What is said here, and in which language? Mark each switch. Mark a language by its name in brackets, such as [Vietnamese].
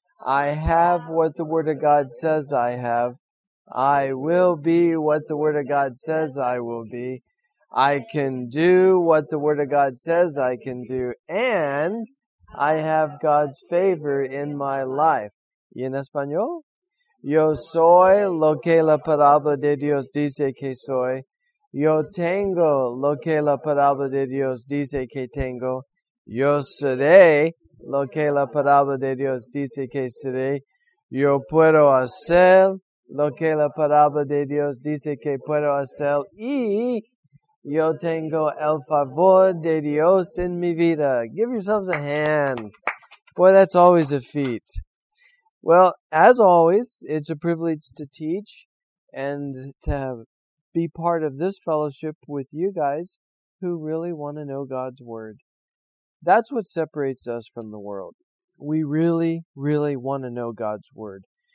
[English] I have what the Word of God says I have. I will be what the Word of God says I will be. I can do what the Word of God says I can do, and I have God's favor in my life. [Spanish] ¿Y en español? Yo soy lo que la palabra de Dios dice que soy. Yo tengo lo que la palabra de Dios dice que tengo. Yo seré lo que la palabra de Dios dice que seré. Yo puedo hacer lo que la palabra de Dios dice que puedo hacer. Y yo tengo el favor de Dios en mi vida. [English] Give yourselves a hand. Boy, that's always a feat. Well, as always, it's a privilege to teach and to be part of this fellowship with you guys who really want to know God's Word. That's what separates us from the world. We really, really want to know God's Word.